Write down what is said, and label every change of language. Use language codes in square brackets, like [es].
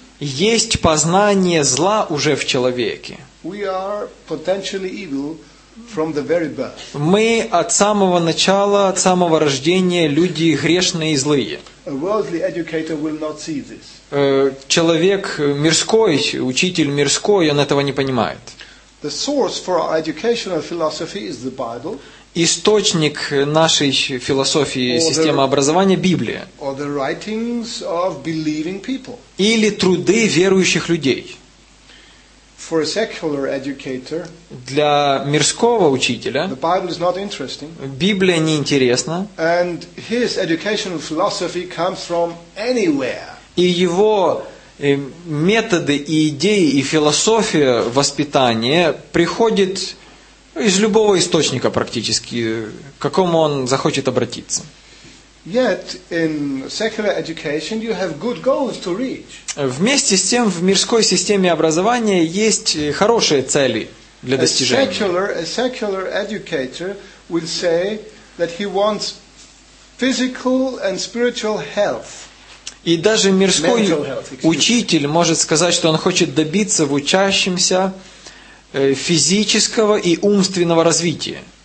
[ru] Есть познание зла уже в человеке. [en] We are potentially evil from the very birth. [ru] Мы от самого начала, от самого рождения, люди грешные и злые. [en] A worldly educator will not see this. [ru] Человек мирской, учитель мирской, он этого не понимает. [en] The source for our educational philosophy is the Bible. [ru] Источник нашей философии и системы образования – Библия. [en] Or the writings of believing people. [ru] Или труды верующих людей. [en] For a secular educator, [ru] для мирского учителя [en] the Bible is not interesting. [ru] Библия неинтересна. [en] And his educational philosophy comes from anywhere. [ru] И его методы и идеи и философия воспитания приходят из любого источника практически, к какому он захочет обратиться. [en] Yet in secular education you have good goals to reach. [ru] Вместе с тем в мирской системе образования есть хорошие цели для достижения. [en] A secular educator will say that he wants physical and spiritual health. [ru] И даже мирской учитель может сказать, что он хочет добиться в учащемся физического и умственного развития.